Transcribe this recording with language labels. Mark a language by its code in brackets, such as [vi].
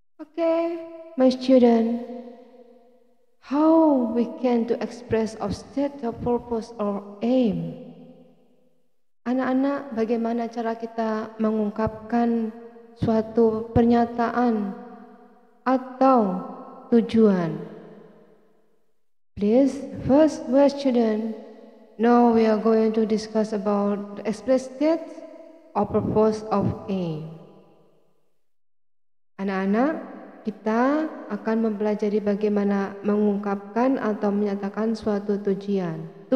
[en] Okay, my student, how we can to express our state of purpose or aim? [id] Anak-anak, bagaimana cara kita mengungkapkan suatu pernyataan atau tujuan? [en] Please, first question. Now we are going to discuss about the express state or purpose of aim. [id] Anak-anak, kita akan mempelajari bagaimana mengungkapkan atau menyatakan suatu tujuan.